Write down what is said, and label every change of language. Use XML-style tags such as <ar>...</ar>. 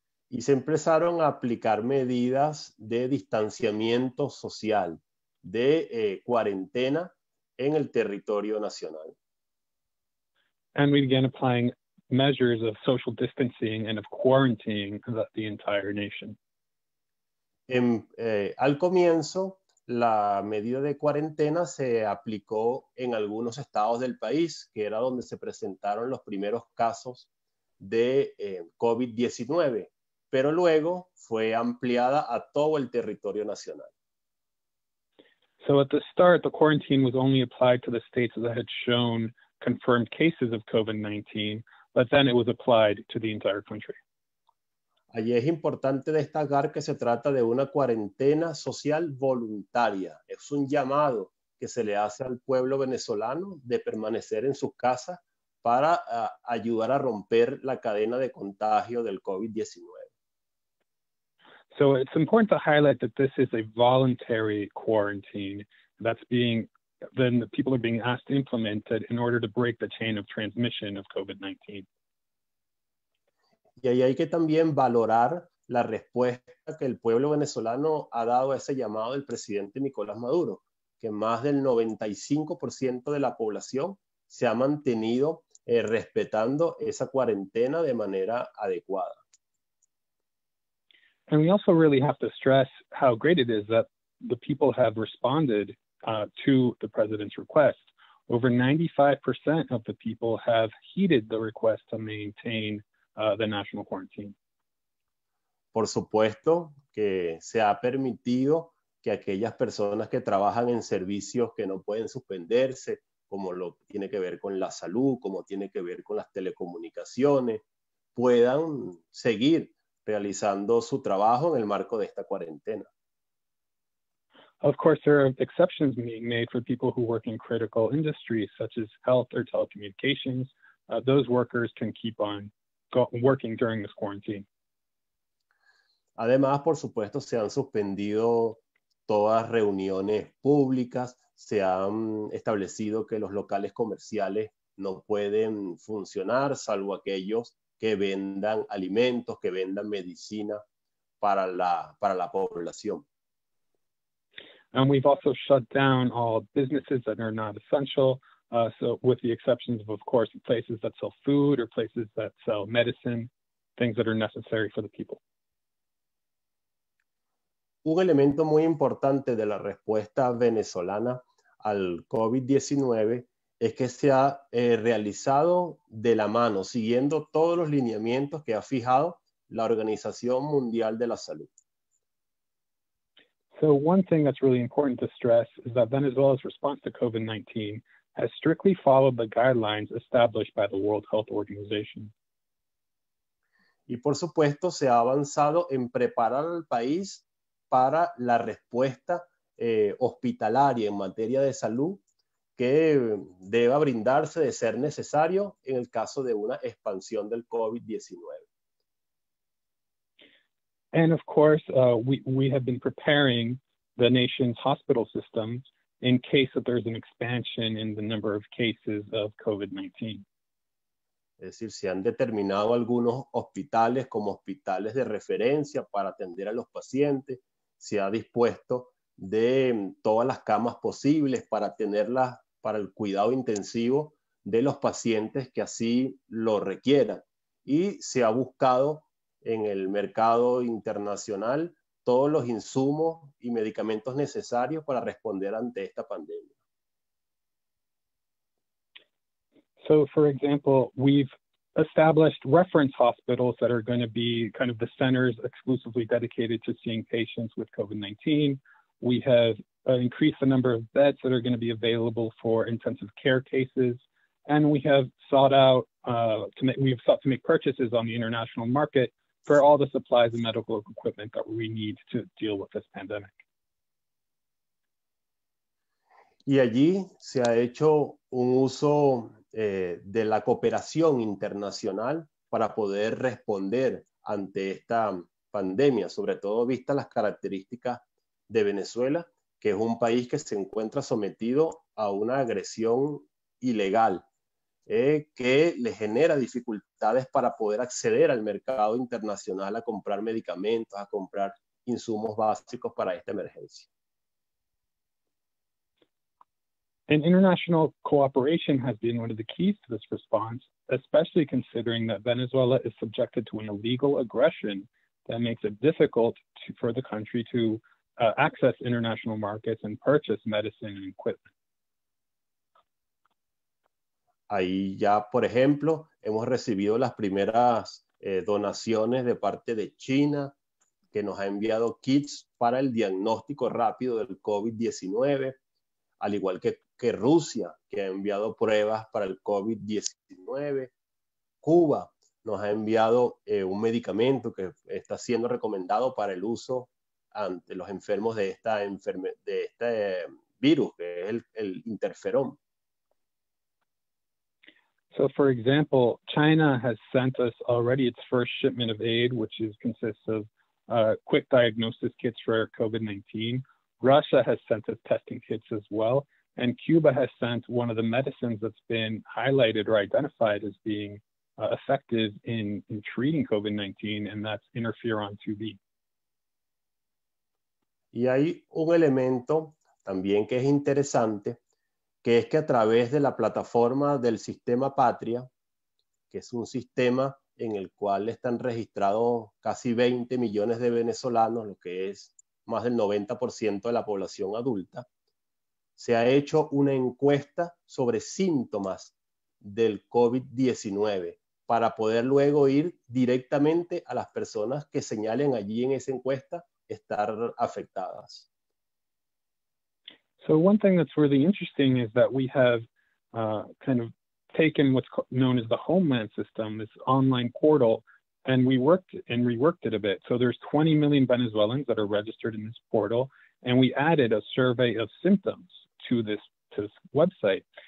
<es>Y se empezaron a aplicar medidas de distanciamiento social, de cuarentena en el territorio nacional.</es> <en>And we began applying measures of social distancing and of quarantining the entire nation.</en> <es>Al comienzo, la medida de cuarentena se aplicó en algunos estados del país, que era donde se presentaron los primeros casos de COVID-19, pero luego fue ampliada a todo el territorio nacional.</es> <en>So at the start, the quarantine was only applied to the states that had shown confirmed cases of COVID-19, but then it was applied to the entire country.</en> <es>Allí es importante destacar que se trata de una cuarentena social voluntaria. Es un llamado que se le hace al pueblo venezolano de permanecer en sus casas para ayudar a romper la cadena de contagio del COVID-19.</es> <en>So it's important to highlight that this is a voluntary quarantine then the people are being asked to implement it in order to break the chain of transmission of COVID-19.</en> <es>Y ahí hay que también valorar la respuesta que el pueblo venezolano ha dado a ese llamado del presidente Nicolás Maduro, que más del 95% de la población se ha mantenido respetando esa cuarentena de manera adecuada.</es> <en>And we also really have to stress how great it is that the people have responded to the president's request. Over 95% of the people have heeded the request to maintain the national quarantine.</en> <es>Por supuesto que se ha permitido que aquellas personas que trabajan en servicios que no pueden suspenderse, como lo tiene que ver con la salud, como tiene que ver con las telecomunicaciones, puedan seguir realizando su trabajo en el marco de esta cuarentena.</es> <en>Of course, there are exceptions being made for people who work in critical industries, such as health or telecommunications. Those workers can keep on working during this quarantine.</en> <es>Además, por supuesto, se han suspendido todas reuniones públicas. Se han establecido que los locales comerciales no pueden funcionar, salvo aquellos que vendan alimentos, que vendan medicina para la población.</es> <en>And we've also shut down all businesses that are not essential. So with the exceptions of course, places that sell food or places that sell medicine, things that are necessary for the people.</en> <es>Un elemento muy importante de la respuesta venezolana al COVID-19 es que se ha realizado de la mano, siguiendo todos los lineamientos que ha fijado la Organización Mundial de la Salud.</es> <en>So one thing that's really important to stress is that Venezuela's response to COVID-19 has strictly followed the guidelines established by the World Health Organization.</en> <es>Y por supuesto, se ha avanzado en preparar al país para la respuesta hospitalaria en materia de salud que deba brindarse de ser necesario en el caso de una expansión del COVID-19.</es> <en>And of course, we have been preparing the nation's hospital systems in case that there's an expansion in the number of cases of COVID-19.</en> <es>Es decir, se han determinado algunos hospitales como hospitales de referencia para atender a los pacientes. Se ha dispuesto de todas las camas posibles para tenerlas para el cuidado intensivo de los pacientes que así lo requieran. Y se ha buscado en el mercado internacional todos los insumos y medicamentos necesarios para responder ante esta pandemia.</es> <en>So, for example, we've established reference hospitals that are going to be kind of the centers exclusively dedicated to seeing patients with COVID-19. We have increase the number of beds that are going to be available for intensive care cases. And we have sought out, to make purchases on the international market for all the supplies and medical equipment that we need to deal with this pandemic.</en> <es>Y allí se ha hecho un uso de la cooperación internacional para poder responder ante esta pandemia, sobre todo vista las características de Venezuela, que es un país que se encuentra sometido a una agresión ilegal que le genera dificultades para poder acceder al mercado internacional a comprar medicamentos, a comprar insumos básicos para esta emergencia.</es> <en>And international cooperation has been one of the keys to this response, especially considering that Venezuela is subjected to an illegal aggression that makes it difficult for the country to access international markets and purchase medicine and equipment.</en> <es>Ahí ya, por ejemplo, hemos recibido las primeras donaciones de parte de China, que nos ha enviado kits para el diagnóstico rápido del COVID-19, al igual que Rusia, que ha enviado pruebas para el COVID-19. Cuba nos ha enviado un medicamento que está siendo recomendado para el uso ante los enfermos de este virus, que es el interferón.</es> <en>So, for example, China has sent us already its first shipment of aid, which consists of quick diagnosis kits for COVID-19. Russia has sent us testing kits as well. And Cuba has sent one of the medicines that's been highlighted or identified as being effective in treating COVID-19, and that's interferon 2B.</en> <es>Y hay un elemento también que es interesante, que es que a través de la plataforma del sistema Patria, que es un sistema en el cual están registrados casi 20 millones de venezolanos, lo que es más del 90% de la población adulta, se ha hecho una encuesta sobre síntomas del COVID-19 para poder luego ir directamente a las personas que señalen allí en esa encuesta estar afectadas.</es> <en>So one thing that's really interesting is that we have kind of taken what's known as the Homeland System, this online portal, and reworked it a bit. So there's 20 million Venezuelans that are registered in this portal, and we added a survey of symptoms to this website.</en>